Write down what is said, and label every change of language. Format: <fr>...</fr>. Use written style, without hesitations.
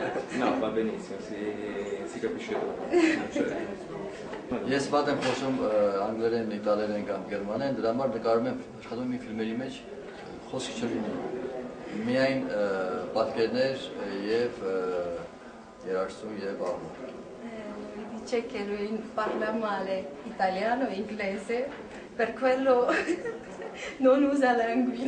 <it>No, va benissimo, si capisce tutto.</it> <hy>Ես պատեմ խոսում անգլերեն, իտալերեն կամ գերմաներեն, դրա համար նկարում եմ, աշխատում եմ ֆիլմերի մեջ, խոսքը չլինի, միայն պատկերներ եւ երաժշտություն եւ աղմուկ.</hy> <it>Dice che lui parla male italiano e inglese, per quello non usa language.</it>